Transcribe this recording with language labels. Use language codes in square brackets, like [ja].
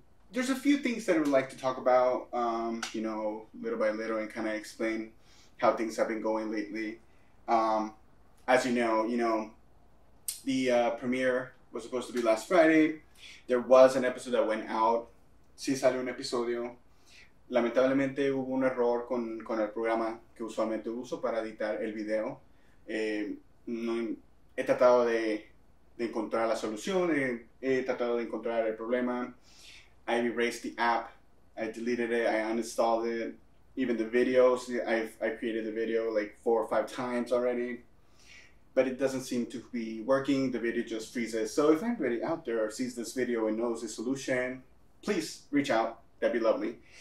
[en] There's a few things that I would like to talk about, little by little, and kind of explain how things have been going lately. As you know, the premiere was supposed to be last Friday. There was an episode that went out. Sí salió un episodio. [es] Lamentablemente hubo un error con el programa que usualmente uso para editar el video. He tratado de encontrar la solución, he tratado de encontrar el problema. [en] I erased the app, I deleted it, I uninstalled it. Even the videos, I created the video like 4 or 5 times already. But it doesn't seem to be working, the video just freezes. So if anybody out there sees this video and knows the solution, please reach out, that'd be lovely.